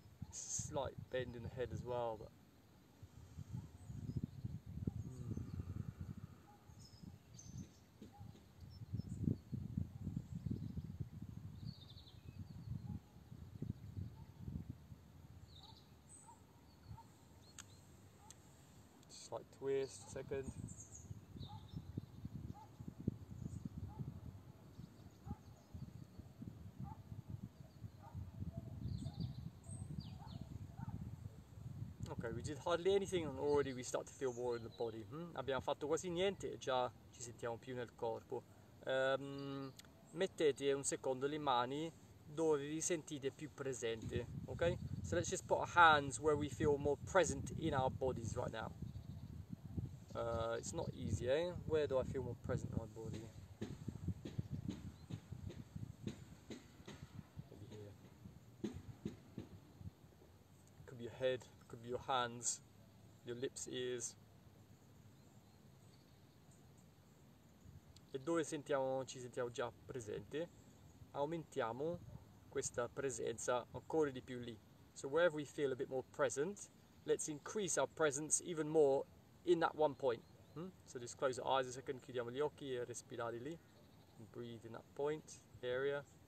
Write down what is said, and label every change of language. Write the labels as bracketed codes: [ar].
[en] Slight bend in the head as well, but slight twist, second. We did hardly anything and already we start to feel more in the body. [it] Abbiamo fatto quasi niente e già ci sentiamo più nel corpo. Mettete un secondo le mani dove vi sentite più presente, ok? [en] So let's just put our hands where we feel more present in our bodies right now. It's not easy, eh? Where do I feel more present in my body? Maybe here. Could be your head. Could be your hands, your lips, ears. [it] E dove ci sentiamo già presente, aumentiamo questa presenza ancora di più lì. [en] So wherever we feel a bit more present, let's increase our presence even more in that one point. So just close our eyes a second, [it] chiudiamo gli occhi e respirare lì. [en] And breathe in that point, area.